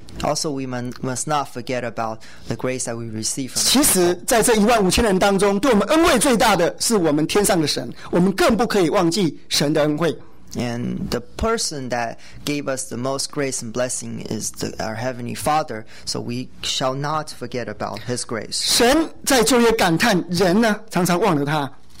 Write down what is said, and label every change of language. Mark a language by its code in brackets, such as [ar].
[en] Also, we must not forget about the grace that we receive from. [zh] 其实，在这15,000人当中，对我们恩惠最大的是我们天上的神。我们更不可以忘记神的恩惠。 [en] And the person that gave us the most grace and blessing is our Heavenly Father. So we shall not forget about His grace. [zh] 神在旧约感叹人呢，常常忘了他。